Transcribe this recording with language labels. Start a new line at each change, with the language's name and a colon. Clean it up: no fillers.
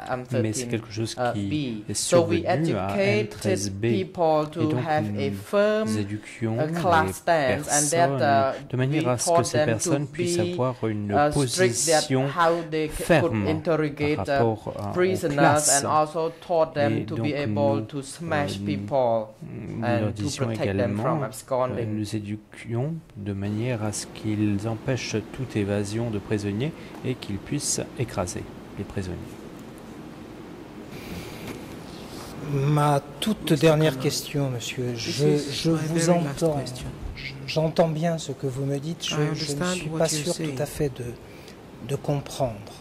French: Mais c'est quelque chose qui est survenu à M13B. Et donc, nous éduquions les personnes de manière à ce que ces personnes puissent avoir une position ferme par rapport aux prisonniers et aussi
English: taught them to be able to smash people.
French: Nous disions également, nous éduquions de manière à ce qu'ils empêchent toute évasion de prisonniers et qu'ils puissent écraser les prisonniers. Ma toute dernière question, monsieur, je vous entends, j'entends bien ce que vous me dites, je ne suis pas sûr tout à fait de comprendre.